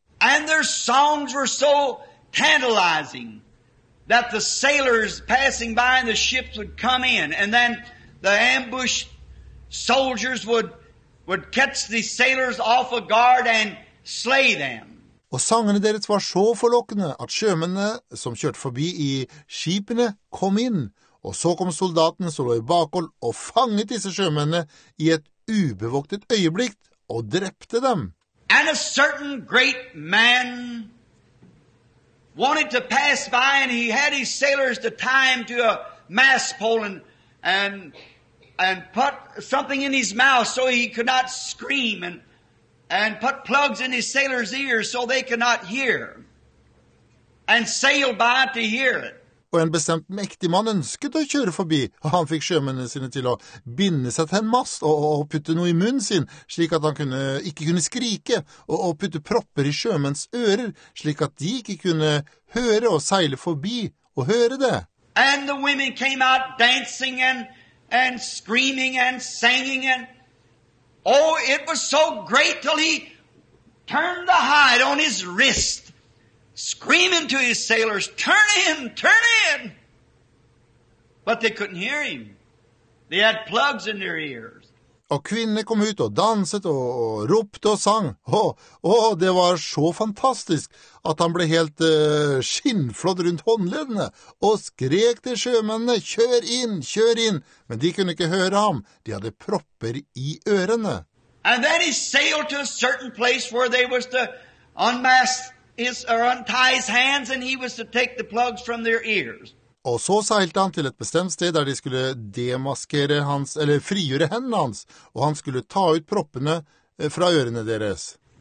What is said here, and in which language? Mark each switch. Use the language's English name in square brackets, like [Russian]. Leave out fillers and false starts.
[English] And their songs were so tantalizing that the sailors passing by in the ships would come in, and then the ambush soldiers would catch the sailors off of guard and slay them. [Norwegian] Og sangene deres var så forlokkende at sjømennene som kjørte forbi I skipene kom inn, og så kom soldatene som lå I bakhold og fanget disse sjømennene I et ubevoktet øyeblikk og drepte dem. [English] And a certain great man wanted to pass by, and he had his sailors to tie him to a mast pole and put something in his mouth so he could not scream, and put plugs in his sailors' ears so they could not hear, and sailed by to hear it. [Norwegian] Og en bestemt mektig mann ønsket å kjøre forbi, og han fikk sjømennene sine til å binde seg til en mast og putte noe I munnen sin, slik at han ikke kunne skrike, og putte propper I sjømenns ører, slik at de ikke kunne høre og seile forbi og høre det. [English] And the women came out dancing and screaming and singing and oh, it was so great till he turned the hide on his wrist. Screaming to his sailors, turn in, turn in! But they couldn't hear him. They had plugs in their ears. [Norwegian] Og kvinnene kom ut og danset og ropte og sang. Åh, det var så fantastisk at han ble helt skinnflådd rundt håndleddene og skrek til sjømennene, kjør inn, kjør inn! Men de kunne ikke høre ham. De hadde propper I ørene. [English] And then he sailed to a certain place where they was to unmast untie his hands, and he was to take the plugs from their ears. [Norwegian] Og så seilte han til et bestemt sted der de skulle demaskere hans, eller frigjøre hendene hans, og han skulle ta ut proppene fra ørene deres.